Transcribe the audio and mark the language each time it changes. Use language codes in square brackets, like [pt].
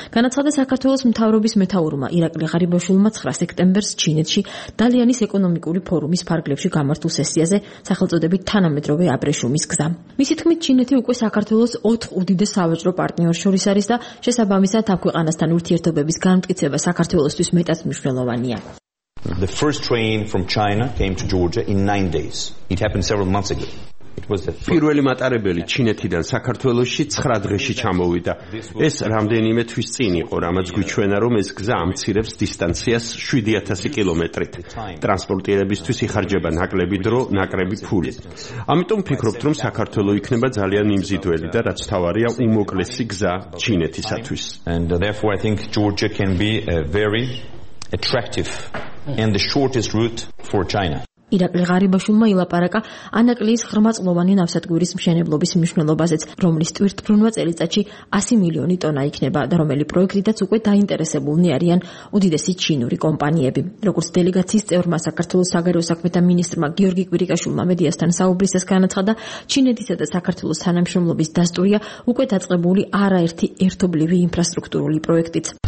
[ka] განაცხადა საქართველოს მთავრობის მეთაურმა ირაკლი ღარიბაშვილმა 9 სექტემბერს ჩინეთში დალიანის ეკონომიკური ფორუმის ფარგლებში გამართულ სესიაზე სახელწოდებით თანამედროვე აბრეშუმის გზა. მისი თქმით, ჩინეთი უკვე საქართველოს 4 უდიდეს სავაჭრო პარტნიორს შორის არის და შესაბამისად ამ ქვეყანასთან ურთიერთობების განმტკიცება საქართველოსთვის მეტად მნიშვნელოვანია. [en] The first train from China came to Georgia in 9 days. It happened several months ago. [ka] პირველი მატარებელი ჩინეთიდან საქართველოში 9 დღეში ჩამოვიდა. ეს რამდენიმე თვის წინ იყო, რამაც გვიჩვენა, რომ ეს გზა ამცირებს დისტანციას 7000 კილომეტრით. ტრანსპორტირებისთვის იხარჯება ნაკლები დრო, ნაკლები ფული. ამიტომ ვფიქრობთ, რომ საქართველო იქნება ძალიან მიმზიდველი და რაც თავარია, უმოკლესი გზა ჩინეთისათვის. [en] And therefore I think Georgia can be a very attractive and the shortest route for China. [ka] Irakli Gharibashvilma ilaparaka Anaklis 9-წლოვანი ნავსადგურის მშენებლობის მნიშვნელობაზეც, რომლის თვითმფრინვა წელიწადში 100 მილიონი ტონა იქნება და რომელი პროექტიდაც უკვე დაინტერესებულნი არიან უდიდესი ჩინური კომპანიები. როგორც დელეგაციის წევრმა საქართველოს საგარეო საქმეთა მინისტრმა გიორგი კვირიკაშვილმა მედიასთან საუბრისას განაცხადა, ჩინეთისა და საქართველოს თანამშრომლობის დასტურია უკვე დაწყებული არაერთი ერთობლივი ინფრასტრუქტურული პროექტიც.